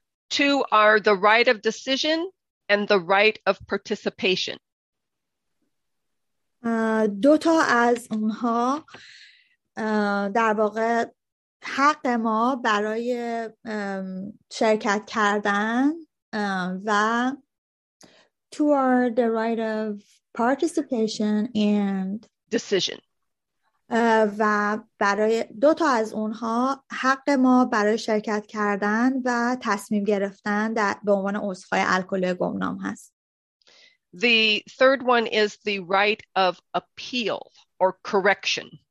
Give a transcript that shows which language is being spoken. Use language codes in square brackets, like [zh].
[en] 2 are the right of decision and the right of participation. [fa] دو تا از اونها در واقع حق ما برای شرکت کردن و [en] 2 are the right of participation and decision. [fa] و برای دو تا از اونها حق ما برای شرکت کردن و تصمیم گرفتن در به عنوان عضوهای الکلی گمنام هست. [en] The third one is the right of appeal or correction.